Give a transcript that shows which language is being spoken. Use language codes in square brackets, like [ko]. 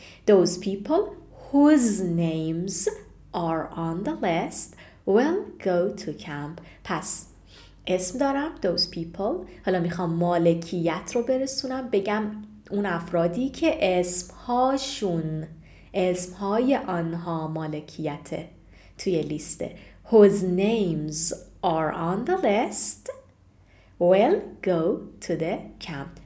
[en] those people whose names are on the list will go to camp. [fa] پس اسم دارم [en] those people، [fa] حالا میخوام مالکیت رو برسونم، بگم اون افرادی که اسمهاشون، اسمهای آنها مالکیته توی لیسته. [en] whose names are on the list will go to the camp.